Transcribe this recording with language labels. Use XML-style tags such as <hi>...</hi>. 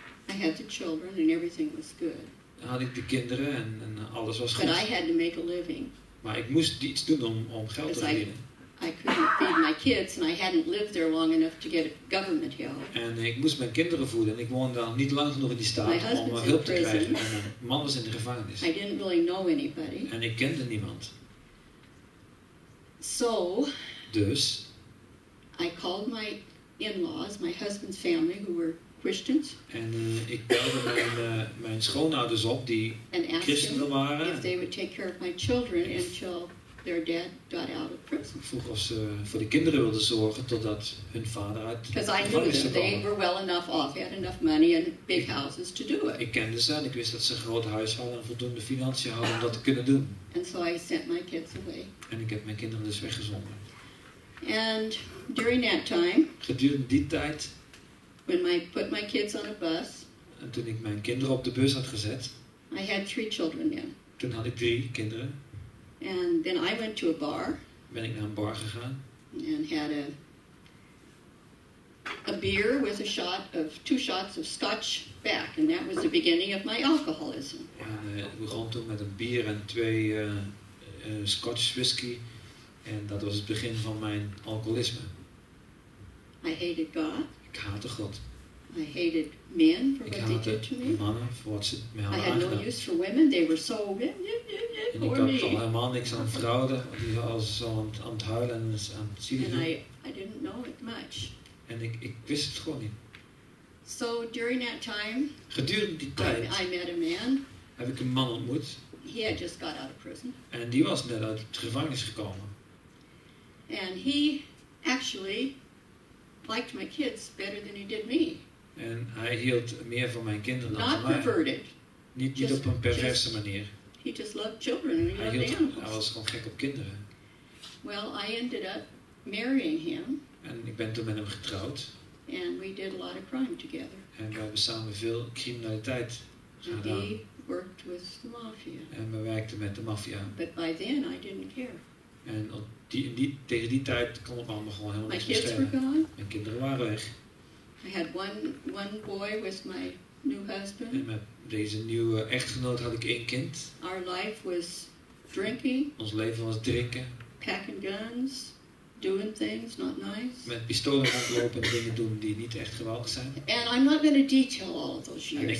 <en>I had the children and everything was good.</en> <nl>Had ik de kinderen en alles was</nl> <en>but</en> <nl>goed.</nl> <en>I had to make a living.</en> <nl>Maar ik moest iets doen om geld te verdienen.</nl> <en>I couldn't feed my kids and I hadn't lived there long enough to get government help.</en> <nl>En ik moest mijn kinderen voeden en ik woonde dan niet lang genoeg in die staat om hulp te krijgen. En mijn man was in de gevangenis.</nl> <en>I didn't really know anybody.</en> <nl>En ik kende niemand.</nl> <en>So,</en> <nl>dus</nl> <en>I called my in-laws, my husband's family, who were Christians.</en> <nl>En ik belde mijn schoonouders op die christenen waren.</nl> <en>If they would take care of my children until their dad got out of prison.</en> <nl>Vroeg of ze voor de kinderen wilden zorgen totdat hun vader uit de gevangenis kwam.</nl> <en>Because I knew that they were well enough off, had enough money and big houses to do it.</en> <nl>Ik kende ze en ik wist dat ze een groot huis hadden en voldoende financiën hadden om dat te kunnen doen.</nl> <en>And so I sent my kids away.</en> <nl>En ik heb mijn kinderen dus weggezonden.</nl> <en>And during that time,</en> <nl>gedurende die tijd,</nl> <en>when I put my kids on a bus,</en> <nl>en toen ik mijn kinderen op de bus had gezet,</nl> <en>I had three children then.</en> <nl>Toen had ik drie kinderen.</nl> <en>And then I went to a bar.</en> <nl>Ben ik naar een bar gegaan.</nl> <en>And had a beer with a shot of two shots of scotch back. And that was the beginning of my alcoholism.</en> <nl>En ik begon toen met een bier en twee scotch whisky. En dat was het begin van mijn alcoholisme.</nl> <en>I hated God.</en> <nl>Ik haatte God.</nl> <en>I hated men for what they did to me.</en> <nl>Mannen voor wat ze mij hadden aangedaan.</nl> <en>I had no use for women. They were so</en> <nl>ik had toch helemaal niks aan vrouwen. Die waren zo aan het huilen en aan het zielen.</nl> <en>And I didn't know it much.</en> <nl>En ik wist het gewoon niet.</nl> <en>So during that time,</en> <nl>gedurende die tijd,</nl> <en>I met a man.</en> <nl>Heb ik een man ontmoet.</nl> <en>He had just got out of prison.</en> <nl>En die was net uit de gevangenis gekomen.</nl> <en>And he actually liked my kids better than he did me.</en> <nl>En hij hield meer van mijn kinderen dan</nl> <en>not</en> <nl>van mij.</nl> <en>Perverted.</en> <nl>Niet op een perverse manier.</nl> <en>He just loved children and he loved animals.</en> <nl>Hij was gewoon gek op kinderen.</nl> <en>Well, I ended up marrying him.</en> <nl>En ik ben toen met hem getrouwd.</nl> <en>And we did a lot of crime together.</en> <nl>En we hebben samen veel criminaliteit gedaan.</nl> <en>He worked with the mafia.</en> <nl>En we werkten met de maffia.</nl> <en>But by then I didn't care.</en> <nl>En tegen die tijd kon het allemaal gewoon helemaal niet meer.</nl> <en>My kids were gone.</en> <nl>Mijn kinderen waren weg.</nl> <en>I had one boy with my new husband.</en> <nl>En met deze nieuwe echtgenoot had ik één kind.</nl> <en>Our life was drinking.</en> <nl>Ons leven was drinken.</nl> <en>Packing guns. Doing things not nice.</en> <nl>Met pistolen rondlopen en dingen doen die niet echt geweldig zijn.</nl> <en>And I'm not going to detail all of those years.</en>